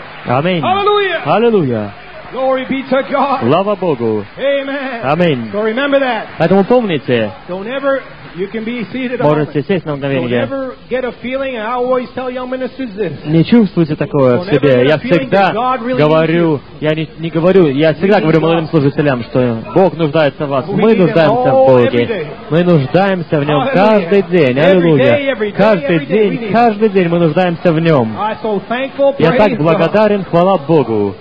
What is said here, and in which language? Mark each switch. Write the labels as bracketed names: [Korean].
[Russian] Аминь. Аллилуйя. [English] Glory be to God. [Russian] Слава Богу. Аминь. [English] So remember that. [Russian] Поэтому помните. [English] Don't ever, you can be seated. [Russian] Можете сесть на мгновение. [English] Don't ever get a feeling, and I always tell young ministers this. [Russian] Не чувствуйте такое в себе. Я всегда говорю, я всегда говорю молодым служителям, что Бог нуждается в вас. Мы нуждаемся в Боге. Мы нуждаемся в Нем каждый день. Аллилуйя. Каждый день мы нуждаемся в Нем. Я так благодарен, хвала Богу.